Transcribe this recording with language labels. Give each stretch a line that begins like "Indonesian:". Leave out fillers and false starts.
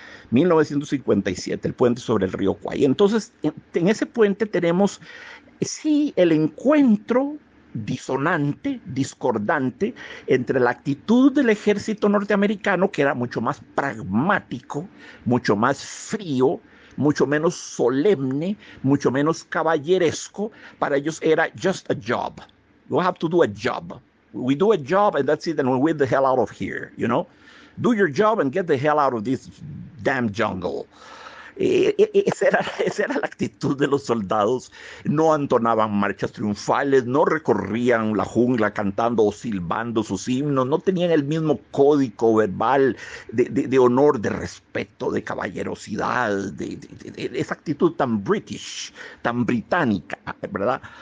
Spanish: 1957, el puente sobre el río Kwai. Entonces, en ese puente tenemos, sí, el encuentro disonante, discordante, entre la actitud del ejército norteamericano, que era mucho más pragmático, mucho más frío, mucho menos solemne, mucho menos caballeresco. Para ellos era
English: just a job. You have to do a job. We do a job and that's it, and we're the hell out of here, you know? Do your job and get the hell out of this damn jungle.
Spanish: Esa era la actitud de los soldados. No entonaban marchas triunfales, no recorrían la jungla cantando o silbando sus himnos, no tenían el mismo código verbal de honor, de respeto, de caballerosidad, de esa actitud tan British, tan británica, ¿verdad?